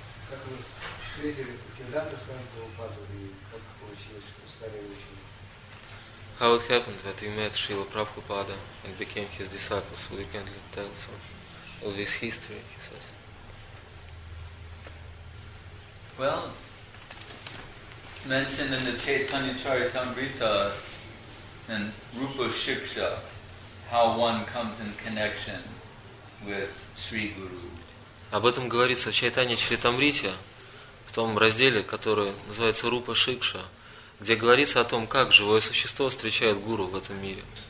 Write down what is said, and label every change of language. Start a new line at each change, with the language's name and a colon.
Russian: Как вы встретили Сиддханта Свами Прабхупаду и как получилось, что стали ученик?
English: How it happened that you met Srila Prabhupada and became his disciples? Would you kindly tell some of his history, he says? Well, it's mentioned in the Chaitanya Charitamrita and Rupa Shiksha, how one comes in connection with Sri Guru.
Russian: Об этом говорится в Чайтанья Чаритамрите, в том разделе, который называется Рупа Шикша, где говорится о том, как живое существо встречает Гуру в этом мире.